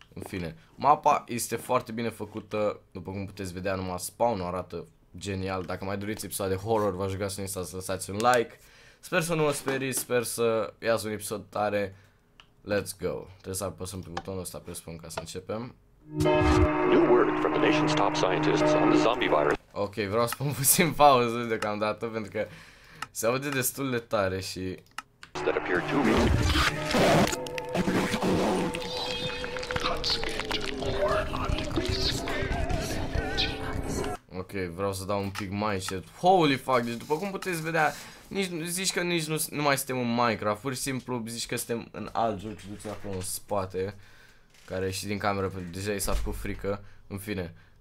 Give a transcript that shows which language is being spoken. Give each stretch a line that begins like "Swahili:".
Romanian: În fine, mapa este foarte bine făcută, după cum puteți vedea, numai spawn-ul arată genial. Dacă mai doriți episoade horror, v-aș ruga să nu lăsați un like. Sper să nu mă sperii, sper să iasă un episod tare.
English: Let's go.
Romanian: Trebuie să apăsăm pe butonul ăsta, presupun, ca să începem.
English: New word from the nation's top scientists on the zombie virus.
Romanian: Ok, vreau să pun puțin pauză deocamdată pentru că se aude destul de tare și
English: that appear to me.
Romanian: Ok, vreau să dau un pic mai încet.
English: Holy fuck,
Romanian: deci după cum puteți vedea, nici nu mai suntem în Minecraft, pur și simplu zici că suntem în alt joc, duci acolo în spate, care și din cameră, deja i s-a făcut frică, în fine.